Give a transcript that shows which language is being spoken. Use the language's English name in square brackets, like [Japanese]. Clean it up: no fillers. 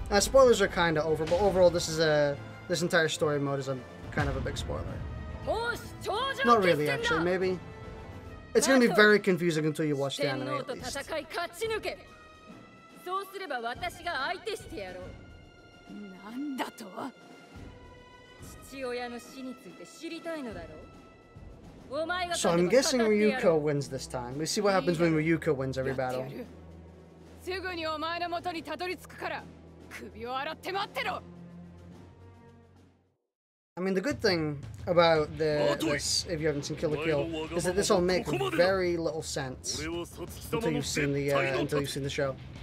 [English] Spoilers are kind of over, but overall, this entire story mode is a kind of a big spoiler. Not really, actually. Maybe. It's gonna be very confusing until you watch the anime. At least. [Japanese] そうすれば私が相手してやろう。なんだと？父親の死について知りたいのだろう。お前が勝てば語ってやる。 [English] So I'm guessing Ryuko wins this time. We see what happens when Ryuko wins every battle. [Japanese] すぐにお前の元にたどり着くから、首を洗って待ってろ。 [English] I mean, the good thing about this, if you haven't seen Kill la Kill, is that this will make very little sense until you've seen the show.